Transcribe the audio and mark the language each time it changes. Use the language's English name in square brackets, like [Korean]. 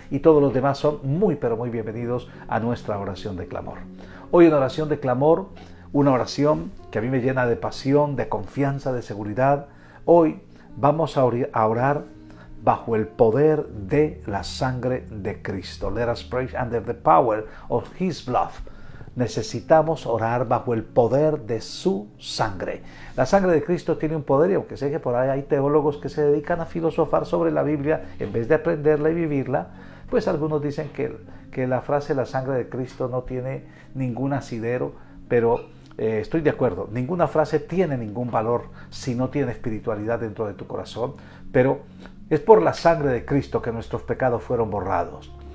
[Spanish] Y todos los demás son muy, pero muy bienvenidos a nuestra oración de clamor. Hoy en oración de clamor, una oración que a mí me llena de pasión, de confianza, de seguridad. Hoy vamos a orar bajo el poder de la sangre de Cristo. [English] Let us pray under the power of His blood. [Spanish] Necesitamos orar bajo el poder de su sangre. La sangre de Cristo tiene un poder, y aunque sé que por ahí hay teólogos que se dedican a filosofar sobre la Biblia en vez de aprenderla y vivirla, pues algunos dicen que la frase la sangre de Cristo no tiene ningún asidero, pero estoy de acuerdo, ninguna frase tiene ningún valor si no tiene espiritualidad dentro de tu corazón, pero es por la sangre de Cristo que nuestros pecados fueron borrados.